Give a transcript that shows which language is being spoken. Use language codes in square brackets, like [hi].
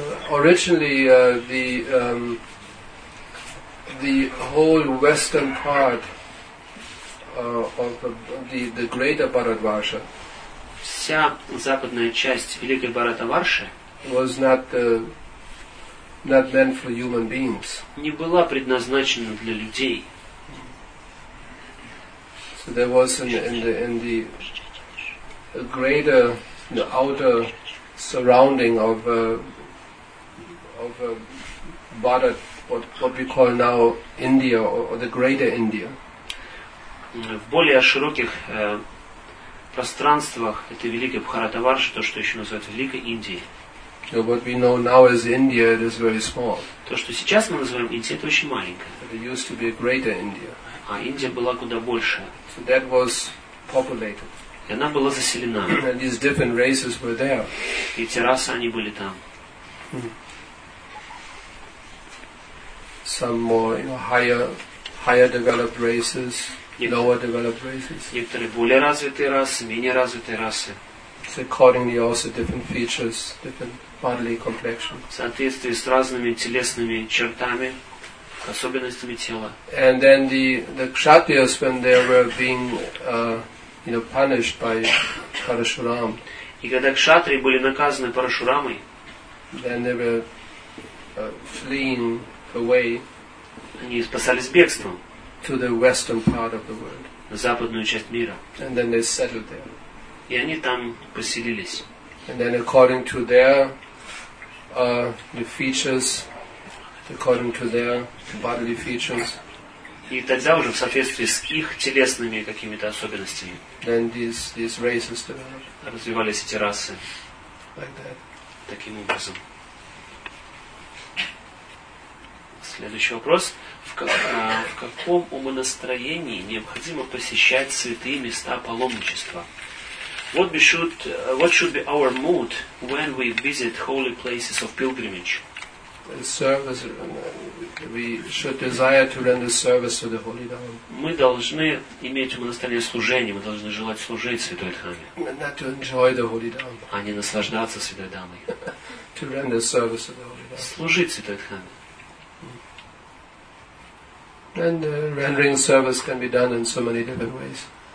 [en] Originally, the whole western part of the greater Bharatvarsha. [ru] Вся западная часть великой Бхаратаварши [en] was not meant for human beings. [ru] Не была предназначена для людей. [en] So there was in the greater, the outer surrounding of Bharat, what we call now India or the greater India. [ru] В более широких пространствах этой великой Бхаратаварши, то, что еще называют великой Индией. [en] So what we know now as India, it is very small. [ru] То, что сейчас мы называем Индией, это очень маленькое. [en] It used to be a greater India. [ru] А Индия была куда больше. [en] So that was populated. [ru] И она была заселена. [en] And these different races were there. [ru] И эти расы, они были там. [en] Some more, you know, higher developed races, lower developed races. [ru] Некоторые более развитые расы, менее развитые расы. [en] So accordingly also different features, different bodily complexion. [ru] В соответствии с разными телесными чертами. Особенностями тела. [en] And then the kshatriyas, when they were being punished by Parashuram. [ru] И когда кшатри были наказаны Парашурамой, [en] then they were fleeing away. [ru] Они спасались бегством. [en] To the western part of the world. [ru] На западную часть мира. [en] And then they settled there. [ru] И они там поселились. [en] And then according to their the features. According to their bodily features. [ru] И тогда уже в соответствии с их телесными какими-то особенностями. [en] Then these races developed. [ru] Развивались эти расы. [en] Like that. [ru] Таким образом. Следующий вопрос. В каком умонастроении необходимо посещать святые места паломничества? [en] What should be our mood when we visit holy places of pilgrimage? Service. We should desire to render service to the Holy Dhamma. [ru] Мы должны иметь в монастыре служение. Мы должны желать служить Святой Дхамме. [en] Not to enjoy the Holy Dhamma. [ru] А не наслаждаться Святой Дхаммой. [en] To render service to the Holy Dhamma. [ru] Служить Святой Дхамме. [en] And rendering service can be done in so many different ways.